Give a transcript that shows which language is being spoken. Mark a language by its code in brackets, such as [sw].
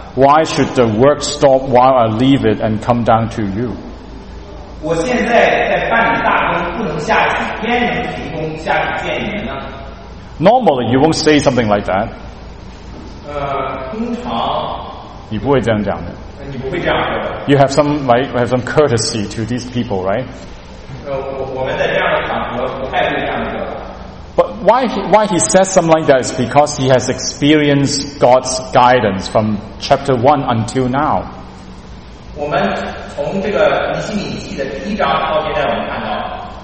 [en] Why should the work stop while I leave it and come down to you? [zh] 我现在在办理大工，不能下去，焉能停工下去见你们呢？ [en] Normally, you won't say something like that. [zh] 通常你不会这样讲的。你不会这样说。 [en] You have some, right? You have some courtesy to these people, right? [zh] 我们在这样的场合不太会这样说。 [en] But why he says something like that is because he has experienced God's guidance from chapter 1 until now. [zh] 我们从这个尼希米记的第一章到现在，我们看到。